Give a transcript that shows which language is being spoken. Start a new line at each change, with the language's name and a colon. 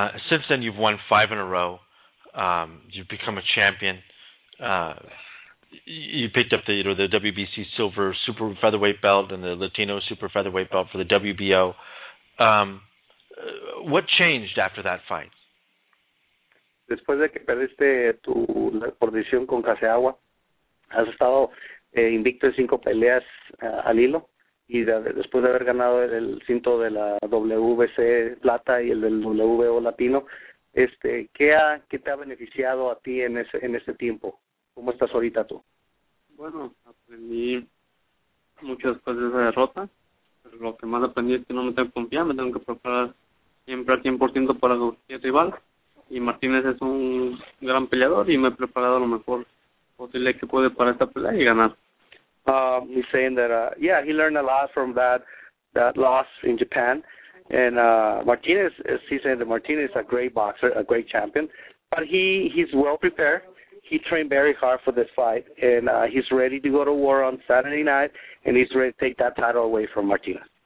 English: Since then, you've won 5 in a row. You've become a champion. You picked up the WBC silver super featherweight belt and the Latino super featherweight belt for the WBO. What changed after that fight?
Spanish: Después de que perdiste tu posición con Hasegawa, has estado invicto en 5 peleas al hilo. Y después de haber ganado el cinto de la WBC plata y el del WBO latino, ¿qué te ha beneficiado a ti en este tiempo? ¿Cómo estás ahorita tú? Bueno, aprendí mucho después de esa derrota, pero lo que más aprendí es que no me tengo que confiar, me tengo que preparar siempre al 100% para cualquier rival, y Martínez es un gran peleador y me he preparado lo mejor posible que puede para esta pelea y ganar.
English: He's saying that he learned a lot from that loss in Japan, and Martínez, he's saying that Martínez is a great boxer, a great champion, but he's well prepared. He trained very hard for this fight, and he's ready to go to war on Saturday night, and he's ready to take that title away from Martínez.